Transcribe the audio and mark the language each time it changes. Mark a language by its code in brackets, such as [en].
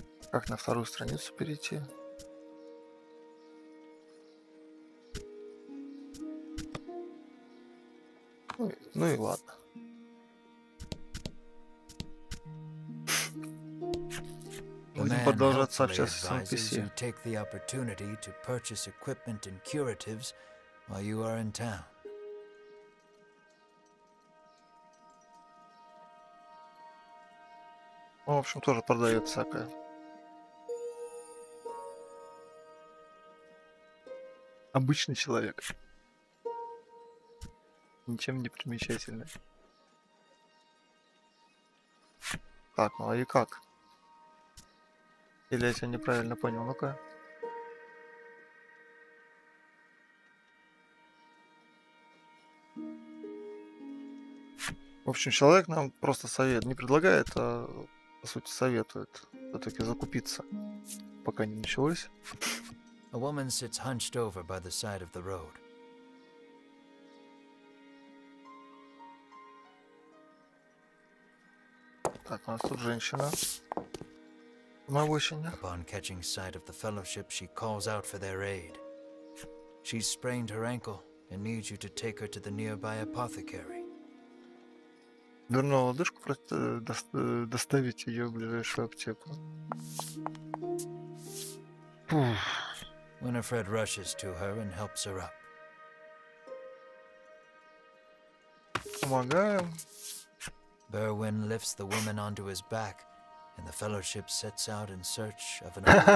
[ru] Как на вторую страницу перейти? Ну и ладно. Будем продолжать сообщаться с NPC. [en] You take the opportunity to purchase equipment and curatives while you are in town. [ru] Ну, в общем, тоже продает всякое. Обычный человек. Ничем не примечательный. Так, ну а и как? Или я тебя неправильно понял? Ну-ка. В общем, человек нам просто совет. Не предлагает, а по сути советует. Все-таки закупиться. Пока не началось. [en] A woman sits hunched over by the side of the road, [ru] Так, у нас тут женщина. На вышине. [en] Upon catching sight of the fellowship, she calls out for their aid. She's sprained her ankle and needs you to take her to the nearby apothecary. [ru] Дурную лодыжку просто доставить ее в ближайшую аптеку. [en] Winifred rushes to her and helps her up. [ru] Помогаем. [en] Berwyn lifts the woman onto his back, and the fellowship sets out in search of an.